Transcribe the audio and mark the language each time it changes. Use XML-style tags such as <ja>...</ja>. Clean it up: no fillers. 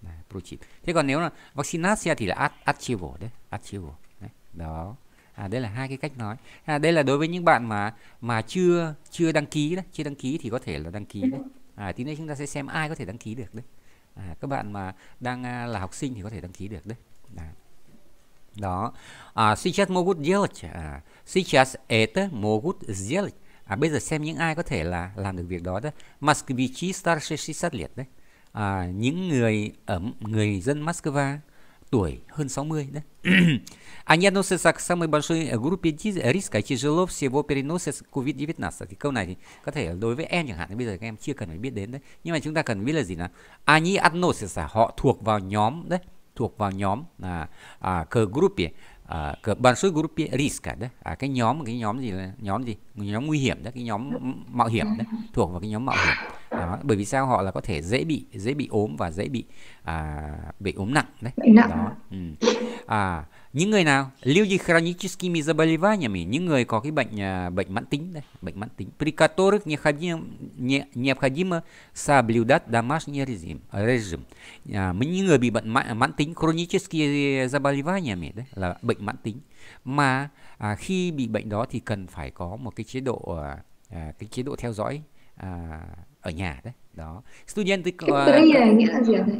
<vi>Protiv. Thế còn nếu là vaccination thì là archivo, ne? Archivo, ne? Đó. À, đây là hai cái cách nói. À, đây là đối với những bạn mà chưa đăng ký đấy, chưa đăng ký thì có thể là đăng ký đấy. À, tí nữa chúng ta sẽ xem ai có thể đăng ký được đấy. À, các bạn mà đang là học sinh thì có thể đăng ký được đấy. À, đó. À,</vi> <ru>сейчас могут сделать. Сейчас это могут сделать.</ru> <vi>À, bây giờ xem những ai có thể là làm được việc đó đấy.</vi> <ru>Москвичи старше 60 лет đấy.</ru> <vi>À, những người ẩm người dân Moscow tuổi hơn 60 đấy.</vi> <ru>Они относятся к самой большой группе риска, тяжело всего переносят COVID-19.</ru> <vi>Thì câu này thì có thể đối với em chẳng hạn, bây giờ các em chưa cần phải biết đến đấy. Nhưng mà chúng ta cần biết là gì nào?</vi> <ru>Они относятся,</ru> <vi>họ thuộc vào nhóm đấy, thuộc vào nhóm là</vi> <ru>к группе, к большой группе риска</ru> <vi>đấy. À, cái nhóm gì là nhóm gì? Nhóm nguy hiểm đấy, cái nhóm mạo hiểm đấy, thuộc vào cái nhóm mạo hiểm. Đó, bởi vì sao họ là có thể dễ bị ốm và dễ bị ốm nặng đấy. Đó. Ừ. À, những người nào</vi> <ru>люди хроническими заболеваниями,</ru> <vi>những người có cái bệnh mãn tính đấy, bệnh mãn tính.</vi> <ru>При которых необходимо соблюдать домашний режим.</ru> <vi>Những người bị bệnh mãn tính,</vi> <ru>хроническими заболеваниями</ru> <vi>đấy là bệnh mãn tính. Mà khi bị bệnh đó thì cần phải có một cái chế độ theo dõi ở nhà đấy. Đó. Student cái pre này nghĩa là gì vậy?</vi>